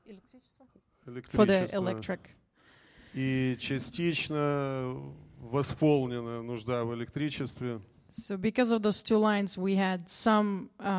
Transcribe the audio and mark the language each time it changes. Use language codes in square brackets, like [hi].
[en] electricity, for the electric. [ru] И частично восполнена нужда в электричестве. [en] So because of those two lines, we had some.